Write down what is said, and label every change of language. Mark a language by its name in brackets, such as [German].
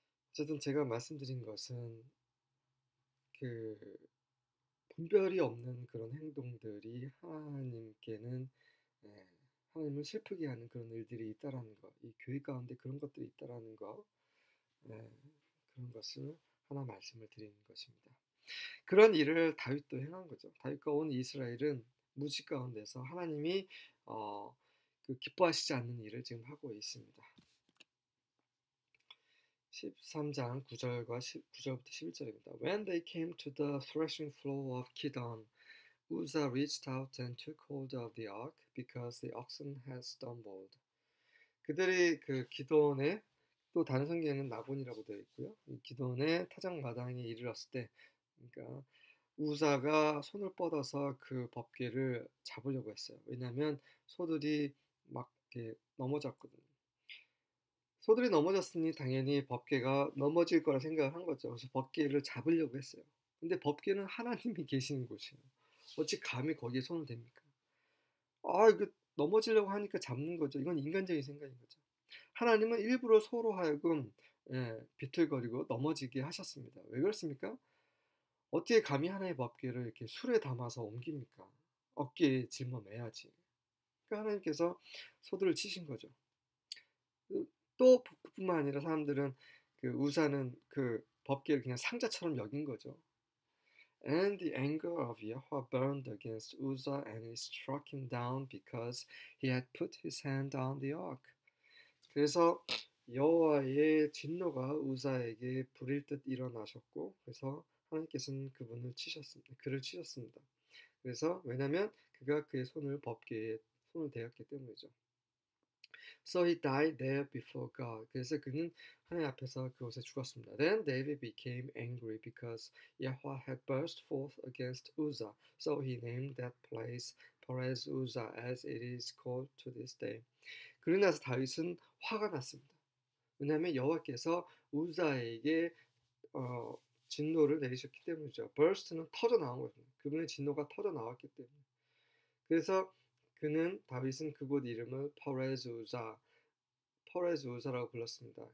[Korean] 어쨌든 제가 말씀드린 것은 분별이 없는 그런 행동들이 하나님께는 하나님을 슬프게 하는 그런 일들이 있다라는 것, 이 교회 가운데 그런 것들이 있다라는 것, 그런 것을 하나 말씀을 드리는 것입니다. 그런 일을 다윗도 행한 거죠. 다윗과 온 이스라엘은 무지 가운데서 하나님이 기뻐하시지 않는 일을 지금 하고 있습니다. 13장 9절과 9절부터 11절입니다. [English] When they came to the threshing floor of Kidon, Uzzah reached out and took hold of the ark because the oxen had stumbled. [Korean] 그들이 기드온에 또 다른 성경에는 나곤이라고 되어 있고요. 기드온의 타작마당에 이르렀을 때, 그러니까 우사가 손을 뻗어서 그 법궤를 잡으려고 했어요. 왜냐하면 소들이 막 넘어졌거든요. 소들이 넘어졌으니 당연히 법궤가 넘어질 거라 생각을 한 거죠. 그래서 법궤를 잡으려고 했어요. 근데 법궤는 하나님이 계시는 곳이에요. 어찌 감히 거기에 손을 댑니까? 넘어지려고 하니까 잡는 거죠. 이건 인간적인 생각인 거죠. 하나님은 일부러 소로 하여금 비틀거리고 넘어지게 하셨습니다. 왜 그렇습니까? 어떻게 감히 하나의 법궤를 이렇게 술에 담아서 옮깁니까? 어깨에 짊어매야지. 그러니까 하나님께서 소들을 치신 거죠. 또 그뿐만 아니라 사람들은 우사는 그 법궤를 그냥 상자처럼 여긴 거죠. [English] And the anger of Yahweh burned against Uzzah, and he struck him down because he had put his hand on the ark. [Korean] 그래서 여호와의 진노가 우사에게 불일 듯 일어나셨고, 그래서 하나님께서는 그분을 치셨습니다. 그를 치셨습니다. 그래서 왜냐하면 그가 그의 손을 법궤에 손을 대었기 때문이죠. [English] So he died there before God. [Korean] 그래서 그는 하나님 앞에서 그곳에 죽었습니다. [English] Then David became angry because Yahweh had burst forth against Uzzah. So he named that place Perez Uzzah as it is called to this day. [Korean] 그러고 나서 다윗은 화가 났습니다. 왜냐하면 여호와께서 우자에게 진노를 내리셨기 때문이죠. Burst는 터져 나온 거죠. 그분의 진노가 터져 나왔기 때문에. 그래서 그는 다윗은 그곳 이름을 퍼레즈 우자라고 불렀습니다.